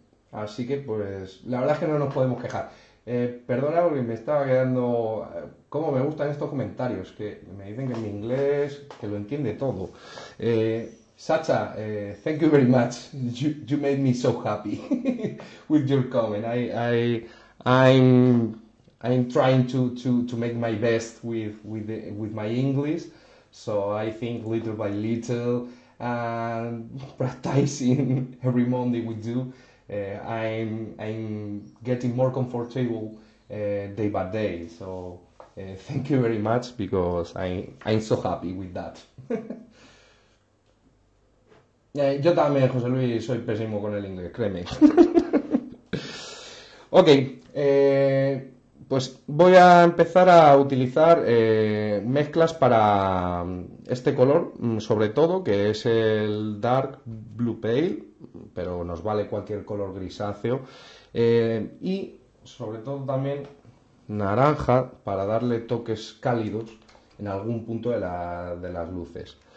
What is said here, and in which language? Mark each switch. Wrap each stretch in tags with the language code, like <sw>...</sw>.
<es>Así que pues la verdad es que no nos podemos quejar. Perdona porque me estaba quedando. ¿Cómo me gustan estos comentarios? Que me dicen que mi inglés, que lo entiende todo.</es> <en>Sacha, thank you very much. You made me so happy with your comment. I'm trying to make my best with my English. So I think little by little and practicing every Monday we do. I'm getting more comfortable day by day, so thank you very much, because I'm so happy with that.</en> <es>Yo también, José Luis, soy pésimo con el inglés, créeme. Ok, pues voy a empezar a utilizar mezclas para este color, sobre todo, que es el Dark Blue Pale, pero nos vale cualquier color grisáceo, y sobre todo también naranja, para darle toques cálidos en algún punto de las luces.</es>